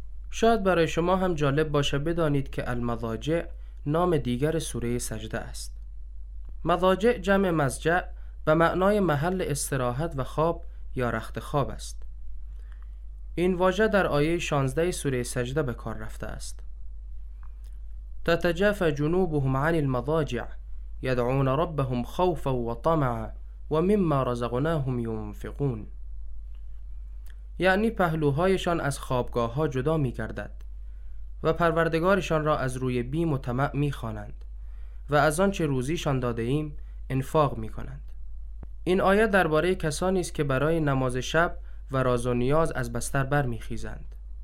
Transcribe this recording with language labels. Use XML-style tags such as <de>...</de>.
<fa>شاید برای شما هم جالب باشه بدانید که المضاجع نام دیگر سوره سجده است. مضاجع جمع مضجع به معنای محل استراحت و خواب یا رخت خواب است. این واژه در آیه 16 سوره سجده به کار رفته است.</fa> <ar>تتجافى جنوبهم عن المضاجع يدعون ربهم خوفا وطمعا ومما رزقناهم ينفقون.</ar> <fa>یعنی پهلوهایشان از خوابگاه ها جدا می گردد و پروردگارشان را از روی بیم و طمع می خوانند و از آنچه روزیشان داده ایم انفاق می کنند. این آیه درباره کسانی است که برای نماز شب و راز و نیاز از بستر بر می خیزند.</fa>